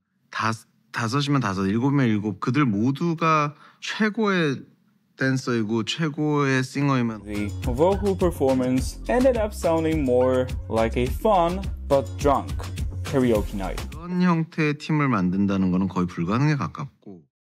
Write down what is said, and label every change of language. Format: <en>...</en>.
<ko>Five, 그들 모두가 최고의 댄서이고 최고의 싱어이면.</ko> <en>The vocal performance ended up sounding more like a fun but drunk karaoke night.</en> <ko>이런 형태의 팀을 만든다는 거는 거의 불가능에 가깝고.</ko>